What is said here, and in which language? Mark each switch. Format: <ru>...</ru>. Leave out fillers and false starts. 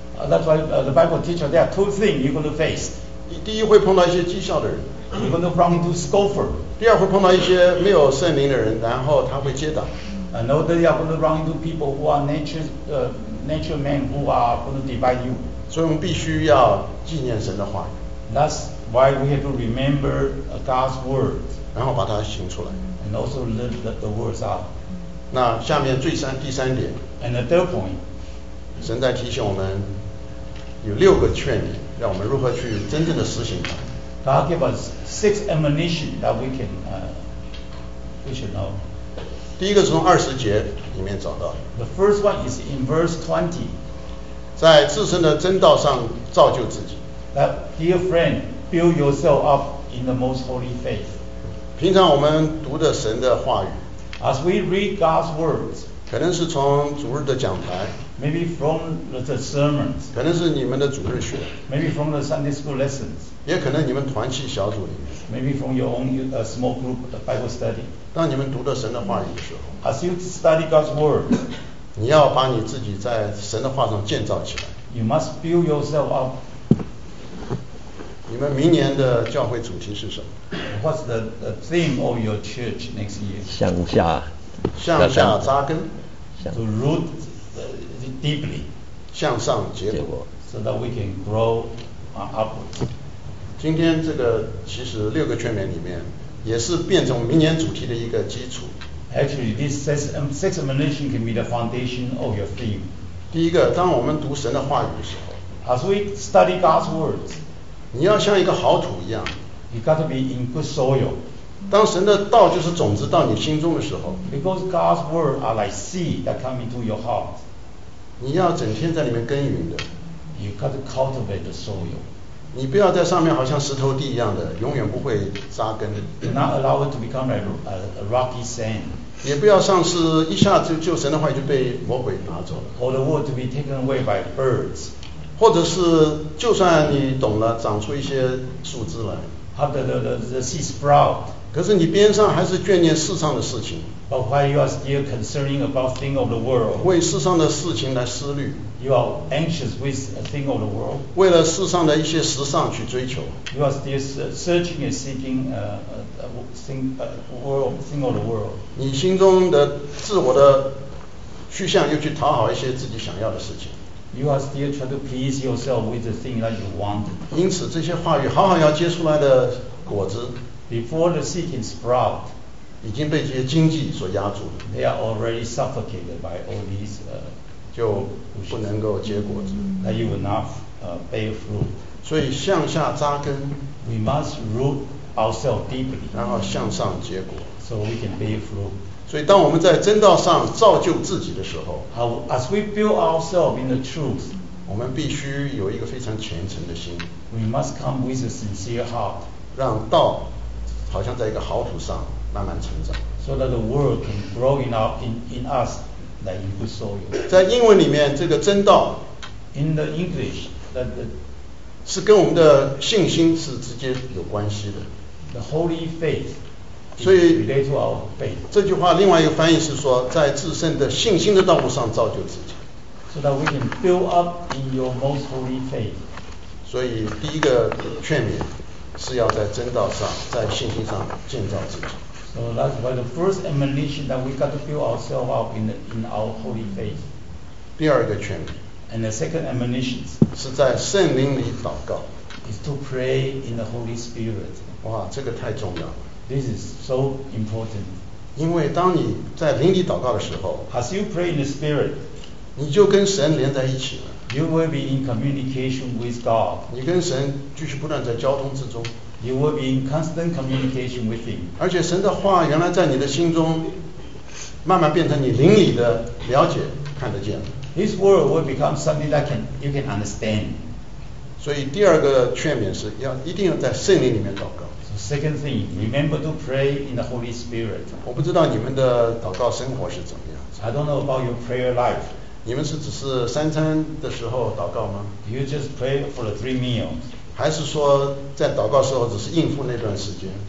<en>That's why the Bible teaches there are two things you're going to face.</en> <zh>第一会碰到一些讥笑的人。</zh> <en>You're going to run into scoffer.</en> <zh>第二会碰到一些没有圣灵的人，然后他会接档。</zh> <en>No, they are going to run into people who are nature men who are going to divide you.</en> <zh>所以我们必须要纪念神的话语。</zh> <en>That's why we have to remember God's word.</en> <zh>然后把它行出来。</zh> <en>And also live the words out.</en> <zh>那下面第三点。</zh> <en>And the third point.</en> <zh>神在提醒我们有六个劝勉，让我们如何去真正的实行它。</zh> <en>God gave us six admonitions that we should know.</en> <zh>第一个是从二十节里面找到。</zh> <en>The first one is in verse 20.</en> <zh>在自身的真道上造就自己。</zh> <en>Dear friend, build yourself up in the most holy faith.</en> <zh>平常我们读的神的话语。</zh> <en>As we read God's words.</en> <zh>可能是从主日的讲台。</zh> <en>Maybe from the sermons.</en> <zh>可能是你们的主日学。</zh> <en>Maybe from the Sunday school lessons.</en> <zh>也可能你们团契小组里面。</zh> <en>Maybe from your own small group Bible study.</en> <zh>当你们读的神的话语的时候。</zh> <en>As you study God's word.</en> <zh>你要把你自己在神的话上建造起来。</zh> <en>You must build yourself up.</en> <zh>你们明年的教会主题是什么？</zh> <en>What's the theme of your church next year?</en> <zh>向下扎根。</zh> <en>To root deeply.</en> <zh>向上结果。</zh> <en>So that we can grow upwards.</en> <zh>今天这个其实六个劝勉里面也是变成明年主题的一个基础。</zh> <en>Actually, this six admonition can be the foundation of your theme.</en> <zh>第一个，当我们读神的话语的时候</zh> <en>，As we study God's words,</en> <zh>你要像一个好土一样</zh> <en>，You got to be in good soil.</en> <zh>当神的道就是种子到你心中的时候</zh> <en>，Because God's words are like seed that come into your heart.</en> <zh>你要整天在里面耕耘的</zh> <en>，You got to cultivate the soil.</en> <zh>你不要在上面好像石头地一样的永远不会扎根。</zh> <en>Do not allow it to become a rocky sand.</en> <zh>也不要上次一下子就神的话就被魔鬼拿走了。</zh> <en>Or the word to be taken away by birds.</en> <zh>或者是就算你懂了长出一些树枝来。</zh> <en>The seed sprout.</en> <zh>可是你边上还是眷念世上的事情。</zh> <en>But while you are still concerning about things of the world.</en> <zh>为世上的事情来思虑。</zh> <en>You are anxious with a thing of the world.</en> <zh>为了世上的一些时尚去追求。</zh> <en>You are still searching and seeking a thing of the world.</en> <zh>你心中的自我的趋向又去讨好一些自己想要的事情。</zh> <en>You are still trying to please yourself with the thing that you want.</en> <zh>因此这些话语好好要结出来的果子。</zh> <en>Before the seed can sprout.</en> <zh>已经被这些荆棘所压住了。</zh> <en>They are already suffocated by all these</en> <zh>就不能够结果子。</zh> <en>That you will not bear fruit.</en> <zh>所以向下扎根。</zh> <en>We must root ourselves deeply.</en> <zh>然后向上结果。</zh> <en>So we can bear fruit.</en> <zh>所以当我们在真道上造就自己的时候。</zh> <en>How, as we build ourselves in the truth.</en> <zh>我们必须有一个非常虔诚的心。</zh> <en>We must come with a sincere heart.</en> <zh>让道好像在一个好土上慢慢成长。</zh> <en>So that the word can grow in, our, in us like in good soil.</en> <zh>在英文里面这个真道。</zh> <en>In the English, that the</en> <zh>是跟我们的信心是直接有关系的。</zh> <en>The holy faith.</en> <zh>所以</zh> <en>relate to our faith.</en> <zh>这句话另外一个翻译是说，在自身的信心的道路上造就自己。</zh> <en>So that we can build up in your most holy faith.</en> <zh>所以第一个劝勉是要在真道上，在信心上建造自己。</zh> <en>So that's why the first admonition that we got to build ourselves up in our holy faith.</en> <zh>第二个劝勉。</zh> <en>And the second admonition</en> <zh>是在圣灵里祷告。</zh> <en>Is to pray in the Holy Spirit.</en> <zh>哇，这个太重要了。</zh> <en>This is so important.</en> <zh>因为当你在灵里祷告的时候</zh> <en>，As you pray in the Spirit，</en> <zh>你就跟神连在一起了。</zh> <en>You will be in communication with God.</en> <zh>你跟神继续不断在交通之中。</zh> <en>You will be in constant communication with Him.</en> <zh>而且神的话原来在你的心中，慢慢变成你灵里的了解，看得见了。</zh> <en>His word will become something that can, you can understand.</en> <zh>所以第二个劝勉是要一定要在圣灵里面祷告。</zh> <en>So second thing, remember to pray in the Holy Spirit.</en> <zh>我不知道你们的祷告生活是怎么样。</zh> <en>I don't know about your prayer life.</en> <zh>你们是只是三餐的时候祷告吗</zh> <en>？You just pray for the three meals.</en> <zh>还是说在祷告时候只是应付那段时间</zh>